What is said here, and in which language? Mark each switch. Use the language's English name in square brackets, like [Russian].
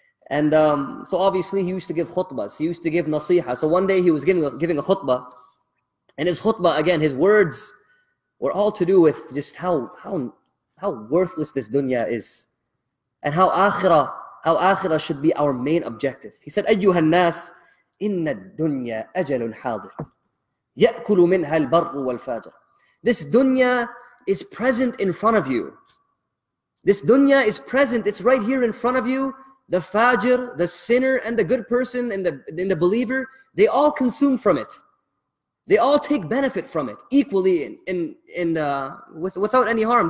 [English] And so obviously he used to give khutbahs. He used to give nasiha. So one day he was giving a khutbah. And his khutbah, again, his words were all to do with just how worthless this dunya is. And how akhirah should be our main objective. He said, [Arabic] أَيُّهَا النَّاسِ إِنَّ الدُّنْيَا أَجَلٌ حَاضِرٌ يَأْكُلُ مِنْهَا الْبَرُّ وَالْفَاجِرُ. [English] This dunya is present in front of you. This dunya is present, it's right here in front of you. The fajr, the sinner, and the good person, and the believer, they all consume from it. They all take benefit from it, equally without any harm.